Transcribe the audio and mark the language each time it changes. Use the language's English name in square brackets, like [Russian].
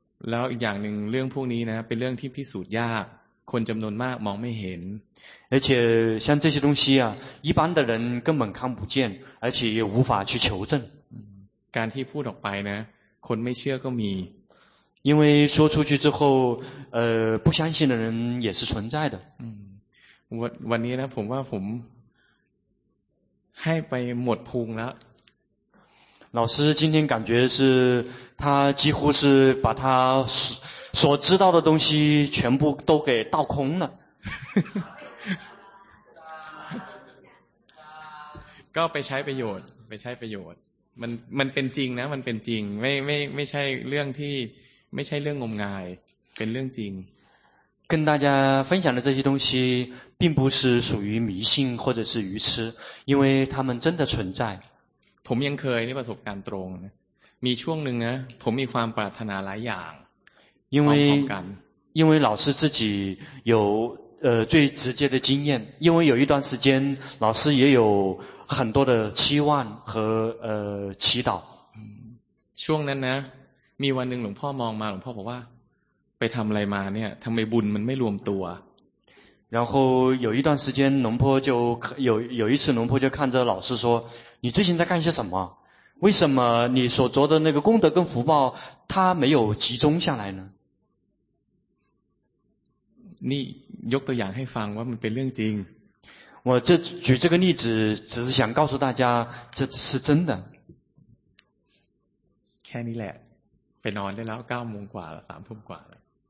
[Thai] แล้วอีกอย่างหนึ่งเรื่องพวกนี้นะเป็นเรื่องที่พิสูจน์ยากคนจำนวนมากมองไม่เห็น [Chinese] 而且像这些东西啊一般的人根本看不见而且也无法去求证 [Thai] การที่พูดออกไปนะคนไม่เชื่อก็มี [Chinese] 因为说出去之后不相信的人也是存在的。 [Thai] 嗯，วันนี้นะผมว่าผมให้ไปหมดภูมิแล้ว [Chinese] 老师今天感觉是他几乎是把他所知道的东西全部都给倒空了。 [Thai] ก็ไปใช้ประโยชน์ไปใช้ประโยชน์มันเป็นจริงนะมันเป็นจริงไม่ใช่เรื่องที่ไม่ใช่เรื่องงมงายเป็นเรื่องจริง [Chinese] 跟大家分享的这些东西并不是属于迷信或者是愚痴因为他们真的存在 [Thai] ผมยังเคยนี่ประสบการณ์ตรงมีช่วงนึงนะผมมีความปรารถนาหลายอย่าง [Chinese] 因为老师自己有最直接的经验因为有一段时间老师也有很多的期望和祈祷 [Thai] ช่วงนั้นนะมีวันหนึ่งหลวงพ่อมองมาหลวงพ่อบอกว่าไปทำอะไรมาเนี่ยทำไมบุญมันไม่รวมตัว [Chinese] 然后有一段时间龙坡就有一次龙坡就看着老师说你最近在干些什么为什么你所做的那个功德跟福报它没有集中下来呢你 [Thai] ยกตัวอย่างให้ฟังว่ามันเป็นเรื่องจริง [Chinese] 我这举这个例子只是想告诉大家这是真的 [Thai] แค่นี้แหละไปนอนได้แล้ว9โมงกว่าแล้ว3ทุ่มกว่าแล้ว